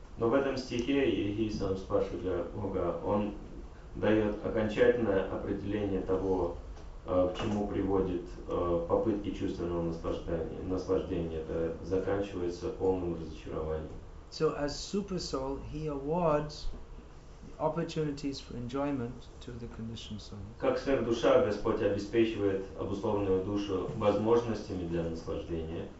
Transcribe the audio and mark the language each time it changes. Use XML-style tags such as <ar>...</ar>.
<ru>Но в этом стихе Йехи Санспарша Джабхога, он дает окончательное определение того, к чему приводит попытки чувственного наслаждения. Это заканчивается полным разочарованием.</ru> <en>So as super soul, he awards opportunities for enjoyment to the conditioned soul.</en> <ru>Как сверхдуша, Господь обеспечивает обусловленную душу возможностями для наслаждения.</ru>